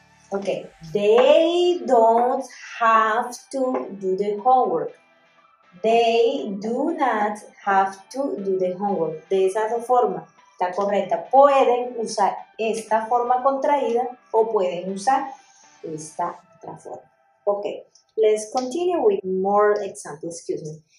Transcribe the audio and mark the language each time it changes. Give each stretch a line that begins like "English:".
English: Ok, they don't have to do the homework. They do not have to do the homework.
Spanish: De esas dos formas, está correcta. Pueden usar esta forma contraída o pueden usar esta otra forma.
English: Ok, let's continue with more examples, excuse me.